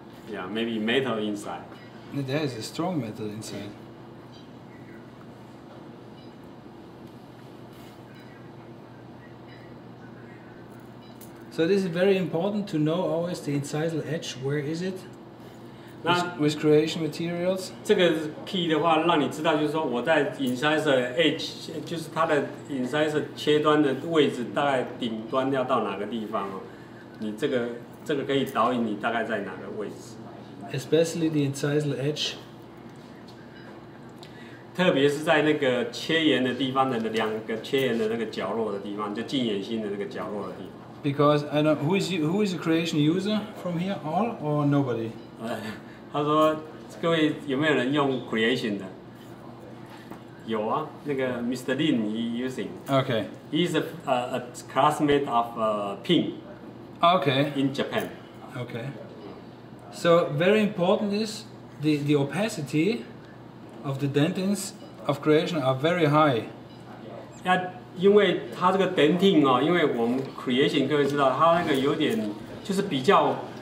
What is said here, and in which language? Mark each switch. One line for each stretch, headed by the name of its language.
English: Yeah, maybe metal inside. There is a strong metal inside. So this is very important to know always the incisal edge, where is it? With CREATION materials.
Chinese: 这个 key 的话，让你知道，就是说我在 incisor edge， 就是它的 incisor 切端的位置，大概顶端要到哪个地方哦？你这个可以导引你大概在哪个位置。
English: Especially the incisal edge，
Chinese: 特别是在那个切沿的地方的那两个切沿的那个角落的地方，就近眼心的那个角落的地方。
English: Because I don't who is a CREATION user from here, all or nobody？
Chinese: 他说各位有没有人用 CREATION 的？有啊，那个 Mr. Lin
English: he using。 Okay。 He's a classmate of Ping。 Okay。 In Japan。 Okay。 So very important is the opacity of the dentins of CREATION are very high。
Chinese: Yeah， 因为它这个 dentin 哦，因为我们 CREATION 各位知道它那个有点就是比较。